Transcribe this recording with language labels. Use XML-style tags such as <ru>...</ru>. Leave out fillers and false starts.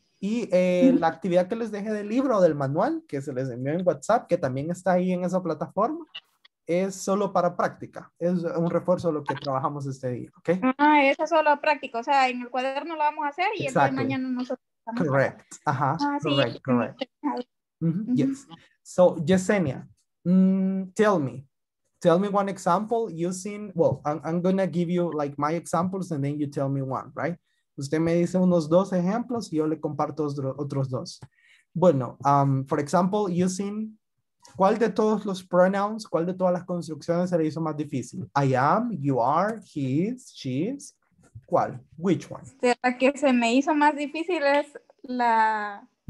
<es>Y la actividad que les dejé del libro o del manual, que se les envió en WhatsApp, que también está ahí en esa plataforma, es solo para práctica. Es un refuerzo a lo que trabajamos este día, ¿ok? Ah, eso es solo práctica. O sea, en el cuaderno lo vamos a hacer y exacto. Entonces mañana nosotros</es> <en>vamos. Correct. Ajá. Ah, correct, sí. Correct. Mm-hmm. Yes. So, Yesenia, tell me one example using, well, I'm going to give you like my examples and then you tell me one, right?</en> <es>Usted me dice unos dos ejemplos y yo le comparto otros dos. Bueno,</es> <en>for example, using,</en> <es>¿cuál de todos los pronouns, cuál de todas las construcciones se le hizo más difícil?</es> <en>I am, you are, he is, she is, ¿cuál? Which one?</en> <es>La que se me hizo más difícil es la...</es>